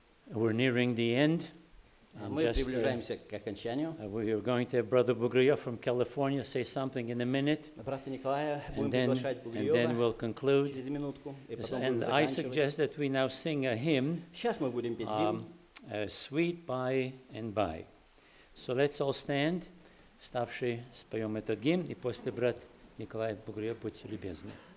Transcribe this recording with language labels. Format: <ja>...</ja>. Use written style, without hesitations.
<en>We're nearing the end.</en> <ru>Мы приближаемся к окончанию.</ru> <en>We're going to have Brother Bugriyov from California say something in a minute.</en> <ru>Брата Николая будем приглашать Бугриёва.</ru> <en>And then we'll conclude.</en> <ru>Через минутку.</ru> <en>And I suggest that we now sing a hymn.</en> <ru>Сейчас мы будем петь гимн.</ru> <en>Sweet By and By. So let's all stand.</en> <ru>Вставши, споем этот гимн, и после брат Николай Бугриёв, будьте любезны.</ru>